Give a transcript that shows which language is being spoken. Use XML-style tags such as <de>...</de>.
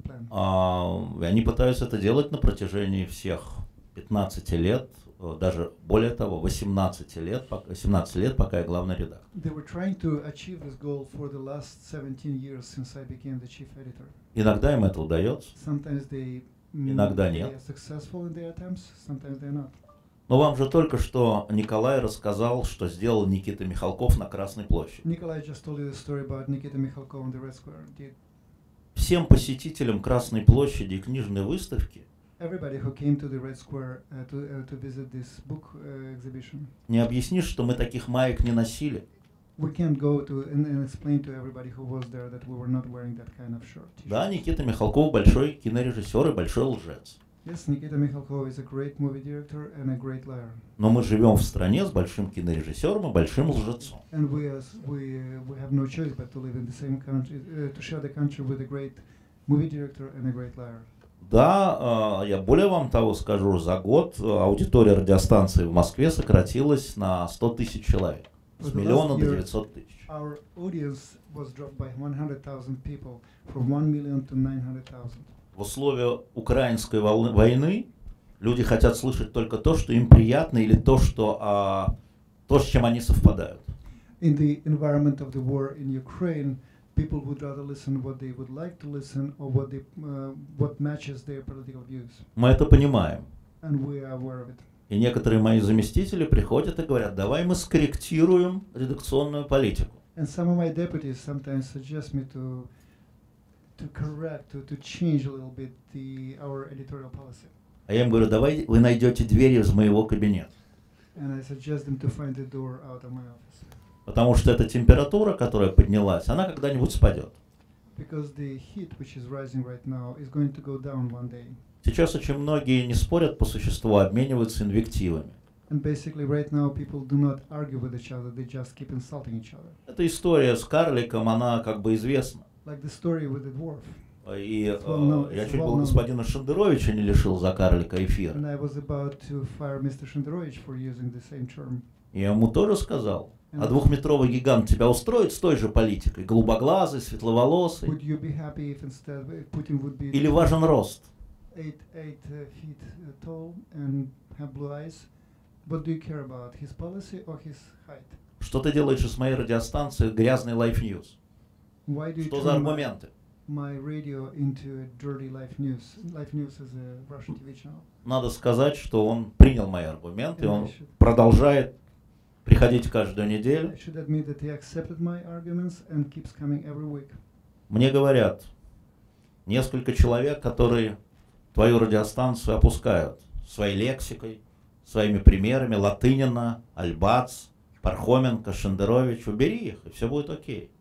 <ru>Они пытаются это делать на протяжении всех 15 лет, даже более того, 18 лет, 17 лет, пока я главный редактор.</ru> <en>They were trying to achieve this goal for the last 17 years since I became the chief editor.</en> <ru>Иногда им это удается.</ru> <en>Sometimes they</en> <ru>иногда нет.</ru> <en>They are successful in their attempts, sometimes they are not.</en> <ru>Но вам же только что Николай рассказал, что сделал Никита Михалков на Красной площади.</ru> <en>Николай just told you the story about Nikita Mikhalkov on the Red Square. Did...</en> <ru>Всем посетителям Красной площади и книжной выставки</ru> <en>everybody who came to the Red Square to visit this book exhibition.</en> <ru>Не объяснишь, что мы таких маек не носили.</ru> <en>We can't go to and explain to everybody who was there that we were not wearing that kind of short t-shirt.</en> <ru>Да, Никита Михалков большой кинорежиссер и большой лжец.</ru> <en>Yes, Никита Михалков is a great movie director and a great liar.</en> <ru>Но мы живем в стране с большим кинорежиссером и большим лжецом.</ru> <en>And we have no choice but to live in the same country to share the country with a great movie director and a great liar.</en> <ru>Да, я более вам того скажу, за год аудитория радиостанции в Москве сократилась на 100 тысяч человек. С миллиона до 900 тысяч.</ru> <en>Our audience was dropped by 100,000 people from 1 million to 900,000.</en> <ru>В условиях украинской войны люди хотят слышать только то, что им приятно, или то, что, то, с чем они совпадают.</ru> <en>In the environment of the war in Ukraine, people would rather listen what they would like to listen or what they, what matches their political views.</en> <ru>Мы это понимаем.</ru> <en>And we are aware of it.</en> <ru>И некоторые мои заместители приходят и говорят: давай мы скорректируем редакционную политику.</ru> <en>And some of my deputies sometimes suggest me to correct, to change a little bit the our editorial policy.</en> <ru>А я им говорю: давай вы найдете дверь из моего кабинета.</ru> <en>And I suggest them to find the door out of my office.</en> <ru>Потому что эта температура, которая поднялась, она когда-нибудь спадет.</ru> <en>Because the heat which is rising right now is going to go down one day.</en> <ru>Сейчас очень многие не спорят по существу, а обмениваются инвективами.</ru> <en>And basically right now people do not argue with each other, they just keep insulting each other.</en> <ru>Эта история с карликом, она как бы известна.</ru> <en>Like the story with the dwarf.</en> <ru>И я чуть был господина Шендеровича не лишил за карлика эфира.</ru> <en>And I was about to fire Mr. Шендерович for using the same term.</en> <ru>Я ему тоже сказал: а двухметровый гигант тебя устроит с той же политикой? Голубоглазый, светловолосый?</ru> <en>Would you be happy if instead Putin would be...</en> <ru>Или важен рост?</ru> <en>Eight feet tall and have blue eyes. What do you care about, his policy or his height?</en> <ru>Что ты делаешь с моей радиостанцией грязной Life News?</ru> <en>Why do you</en> <ru>что за аргументы?</ru> <en>My radio into a dirty Life News. Life News is a Russian TV channel.</en> <ru>Надо сказать, что он принял мои аргументы, он продолжает приходить каждую неделю.</ru> <en>I should admit that he accepted my arguments and keeps coming every week.</en> <ru>Мне говорят несколько человек, которые твою радиостанцию опускают своей лексикой, своими примерами: Латынина, Альбац, Пархоменко, Шендерович. Убери их, и все будет окей.</ru>